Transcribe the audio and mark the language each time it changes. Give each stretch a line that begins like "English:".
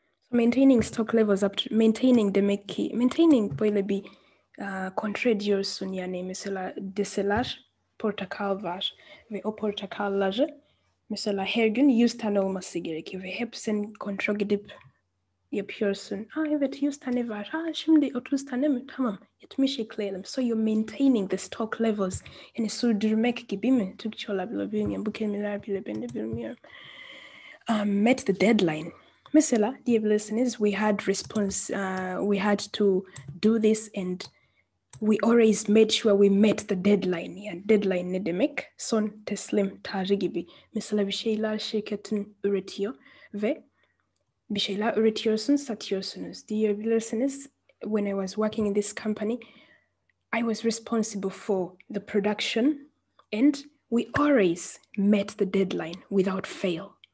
English: Maintaining stock levels up to maintaining
Turkish: demek ki maintaining böyle bir kontrol ediyorsun yani mesela deseler portakal var ve o portakalları mesela her gün 100 tane olması gerekiyor ve hepsini kontrol edip yapıyorsun. Evet 100 tane var. Şimdi 30 tane mi? Tamam 70 ekleyelim.
English: So you're maintaining the stock levels.
Turkish: Yani sürdürmek gibi mi? Türkçe olabilir bilmiyorum. Bu kelimeler bile ben de bilmiyorum.
English: Met the deadline.
Turkish: Mesela diyebilirsiniz,
English: we had response, we had to do this and we always made sure we met the deadline.
Turkish: Yani deadline ne demek? Son teslim tarihi gibi. Mesela bir şeyler şirketin üretiyor ve bir şeyler üretiyorsun, satıyorsunuz. Diyebilirsiniz,
English: when I was working in this company, I was responsible for the production and we always met the deadline without fail.